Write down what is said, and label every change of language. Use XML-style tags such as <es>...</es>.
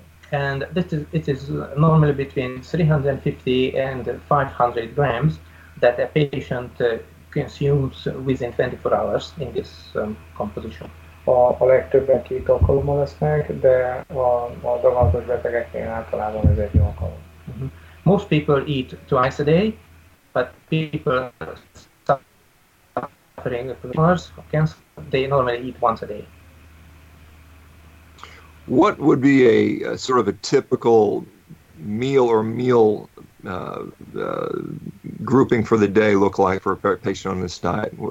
<en>And it is normally between 350 and 500 grams that a patient consumes within 24 hours in this composition.</en> <hu>A legtöbben két alkalommal lesznek, de a daganatos betegeknél általában ez egy alkalom. Mm-hmm.</hu> <en>Most people eat twice a day, but people suffering with tumors, cancer, they normally eat once a day. What would be a sort of a typical meal or meal grouping for the day look like for a patient on this diet?</en>